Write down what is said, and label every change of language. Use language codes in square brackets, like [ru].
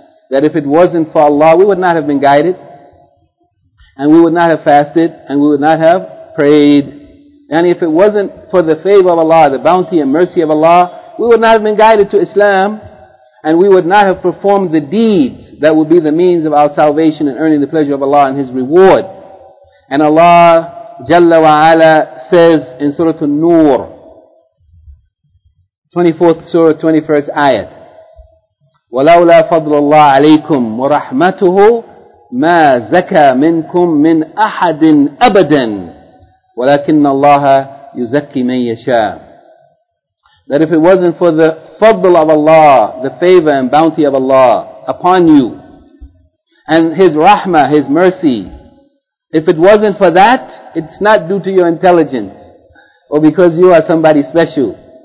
[en] That if it wasn't for Allah, we would not have been guided, and we would not have fasted, and we would not have prayed. And if it wasn't for the favor of Allah, the bounty and mercy of Allah, we would not have been guided to Islam, and we would not have performed the deeds that would be the means of our salvation and earning the pleasure of Allah and His reward. And Allah Jalla wa Ala says in Surah An-Nur, 24th Surah, 21st Ayat, [ar] وَلَوْلَا فَضْلُ اللَّهِ عَلَيْكُمْ وَرَحْمَتُهُ مَا زَكَى مِنْكُمْ مِنْ أَحَدٍ أَبَدًا وَلَكِنَّ اللَّهَ يُزَكِّي مَنْ يَشَاءُ. [en] That if it wasn't for the fadl of Allah, the favor and bounty of Allah upon you, and His rahmah, His mercy, if it wasn't for that, it's not due to your intelligence or because you are somebody special.